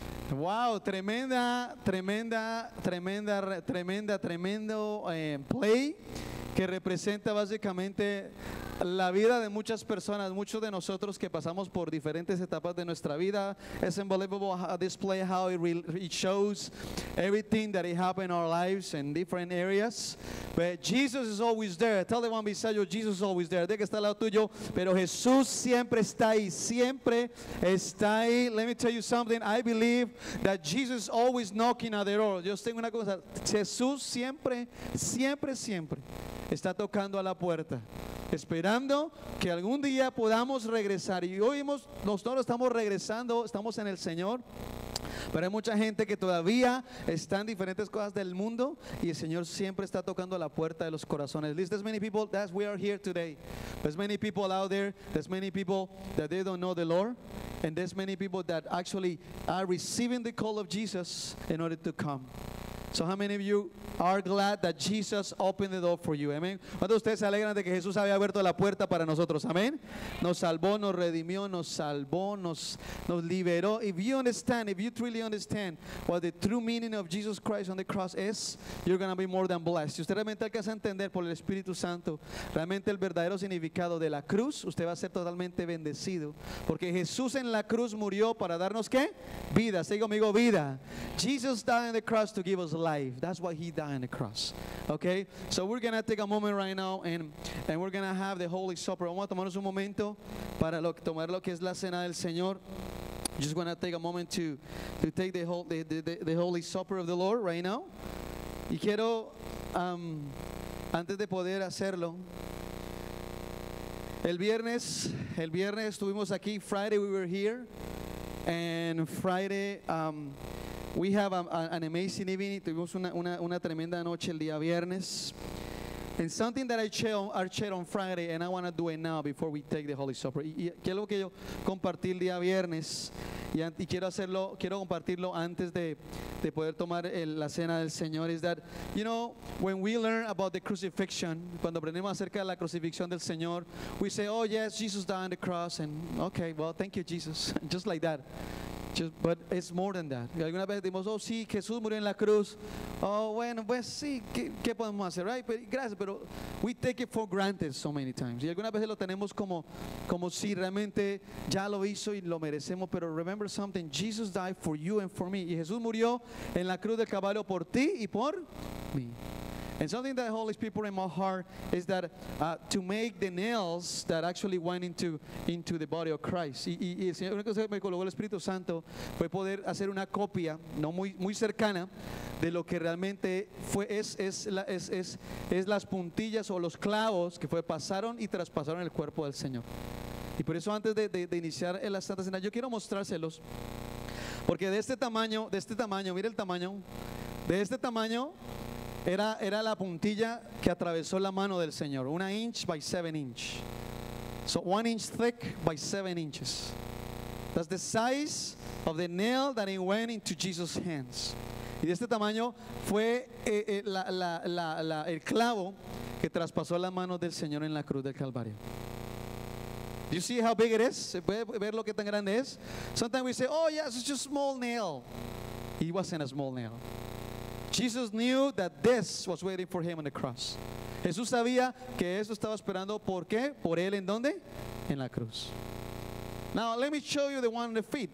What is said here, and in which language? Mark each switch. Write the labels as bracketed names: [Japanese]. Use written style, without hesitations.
[Spanish] Wow, tremendo play que representa básicamente la vida de muchas personas, muchos de nosotros que pasamos por diferentes etapas de nuestra vida. [English] It's unbelievable how this play, how it shows everything that it happened in our lives in different areas. But Jesus is always there. Tell the one beside you, Jesus is always there. [Spanish] De que está al lado tuyo, pero Jesús siempre está ahí, siempre está ahí. [English] Let me tell you something. I believe that Jesus is always knocking at the door. [Spanish] Yo tengo una cosa. Jesús siempre, siempre, siempre está tocando a la puerta, esperando que algún día podamos regresar. Y hoy nosotros estamos regresando, estamos en el Señor. Pero hay mucha gente que todavía está en diferentes cosas del mundo y el Señor siempre está tocando la puerta de los corazones. [English] At least there's many people that we are here today. There's many people out there. There's many people that they don't know the Lord. And there's many people that actually are receiving the call of Jesus in order to come. So how many of you are glad that Jesus opened the door for you? Amen. [Spanish] ¿Cuántos de ustedes se alegran de que Jesús había abierto la puerta para nosotros? Amen. Nos salvó, nos redimió, nos salvó, nos liberó. [English] If you understand, if you truly understand what the true meaning of Jesus Christ on the cross is, you're going to be more than blessed. [Spanish] Si usted realmente alcanza a entender por el Espíritu Santo realmente el verdadero significado de la cruz, usted va a ser totalmente bendecido. Porque Jesús en la cruz murió para darnos, ¿qué? Vida. Siga conmigo, vida. [English] Jesus died on the cross to give us life. That's why he died on the cross. Okay, so we're gonna take a moment right now and we're gonna have the Holy Supper. [Spanish] Vamos a tomarnos un momento para tomar lo que es la cena del Señor. [English] Just gonna take a moment to take the Holy Supper of the Lord right now. [Spanish] Y quiero antes de poder hacerlo, el viernes estuvimos aquí. [English] Friday we were here, and Friday we have an amazing evening. [Spanish] Tuvimos una tremenda noche el día viernes. [English] And something that I shared on Friday, and I want to do it now before we take the Holy Supper. [Spanish] Y algo que yo compartí el día viernes, y quiero compartirlo antes de poder tomar la cena del Señor, [English] is that, you know, when we learn about the crucifixion, [Spanish] cuando aprendemos acerca de la crucifixión del Señor, [English] we say, oh yes, Jesus died on the cross, and okay, well, thank you, Jesus, just like that. But it's more than that. [Spanish] Alguna vez decimos, oh sí, Jesús murió en la cruz. Oh, bueno, pues sí, ¿qué podemos hacer? Right? Pero, gracias, pero [English] we take it for granted so many times. [Spanish] Y algunas veces lo tenemos como si realmente ya lo hizo y lo merecemos. [English] Pero remember something, Jesus died for you and for me. [Spanish] Y Jesús murió en la cruz del Calvario por ti y por mí. [English] And something that the Holy Spirit put in my heart is that to make the nails that actually went into the body of Christ. [Spanish] Y el Señor, una cosa que me colocó el Espíritu Santo fue poder hacer una copia, no muy, muy cercana, de lo que realmente fue es las puntillas o los clavos que fue pasaron y traspasaron el cuerpo del Señor. Y por eso antes de iniciar la Santa Cena, yo quiero mostrárselos, porque de este tamaño, mire el tamaño, de este tamaño, Era la puntilla que atravesó la mano del Señor. [English] 1 inch by 7 inch. So 1 inch thick by 7 inches. That's the size of the nail that it went into Jesus' hands. [Spanish] Y de este tamaño fue el clavo que traspasó la mano del Señor en la cruz del Calvario. [English] Do you see how big it is? [Spanish] ¿Se puede ver lo que tan grande es? [English] Sometimes we say, oh yes, it's just a small nail. It wasn't a small nail. Jesus knew that this was waiting for him on the cross. [Spanish] Jesús sabía que eso estaba esperando. ¿Por qué? ¿Por él en dónde? En la cruz. [English] Now, let me show you the one on the feet.